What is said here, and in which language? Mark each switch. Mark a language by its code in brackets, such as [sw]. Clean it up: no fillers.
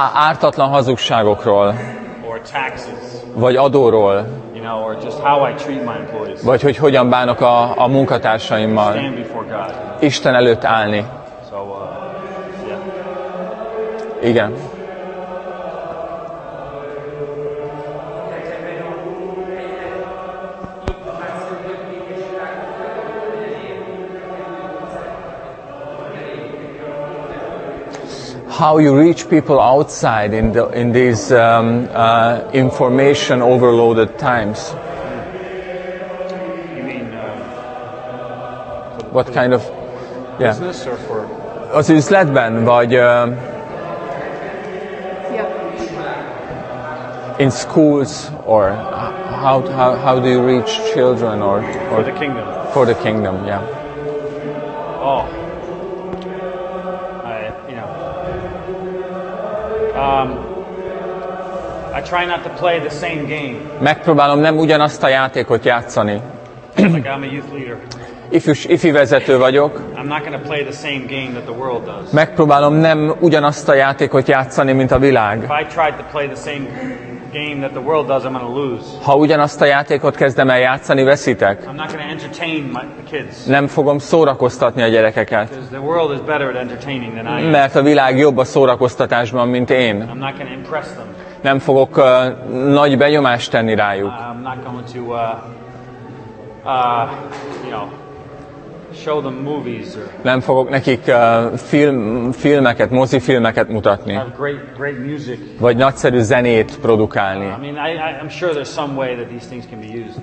[hu] Ártatlan hazugságokról, [en] or taxes. [hu] Vagy adóról, [en] you know, or just how I treat my employees. [hu] Vagy hogy hogyan bánok a munkatársaimmal, [en] stand before God. [hu] Isten előtt állni. [en] So, yeah. [hu] Igen. [en] How you reach people outside in the, in these information overloaded times? You mean what kind of business, yeah, or for? [hu] Az üzletben vagy [en] in schools, or how do you reach children, or for the kingdom? For the kingdom, yeah. Oh. I try not to play the same game. [hu] Megpróbálom nem ugyanazt a játékot játszani. [en] Like I'm a youth leader. [hu] Ifi vezető vagyok. [en] I'm not going to play the same game that the world does. [hu] Megpróbálom nem ugyanazt a játékot játszani, mint a világ. [en] If I tried to play the same game that the world does, I'm going to lose. [hu] Ha ugyanazt a játékot kezdem el játszani, veszítek. [en] I'm not going to entertain my kids. [hu] Nem fogom szórakoztatni a gyerekeket. [en] Because the world is better at entertaining than I am. [hu] Mert a világ jobb a szórakoztatásban, mint én. [en] I'm not going to impress them. [hu] Nem fogok nagy benyomást tenni rájuk. [en] I'm not going to show them movies. [hu] Nem fogok nekik filmeket, mozifilmeket mutatni. [en] Have great music. [hu] Vagy nagyszerű zenét produkálni. [en] I mean, I'm sure there's some way that these things can be used.